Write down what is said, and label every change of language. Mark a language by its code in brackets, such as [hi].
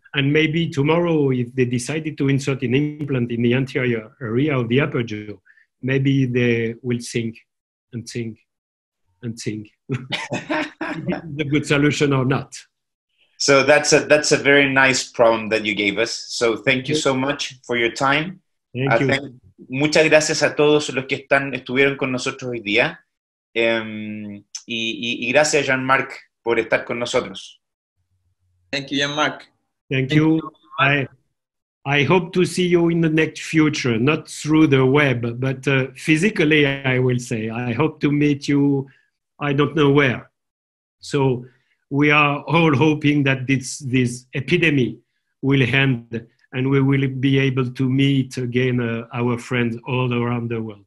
[en] And maybe tomorrow, if they decided to insert an implant in the anterior area of the upper jaw, maybe they will think. The good solution or not. So that's a very nice problem that you gave us. So thank you so much for your time. Thank you. [es] Muchas gracias a todos los que estuvieron con nosotros hoy día. Y gracias, Jean-Marc, por estar con nosotros. [en] Thank you, Jean-Marc. Thank you. I hope to see you in the next future, not through the web, but physically, I will say. I hope to meet you, I don't know where. So we are all hoping that this epidemic will end and we will be able to meet again our friends all around the world.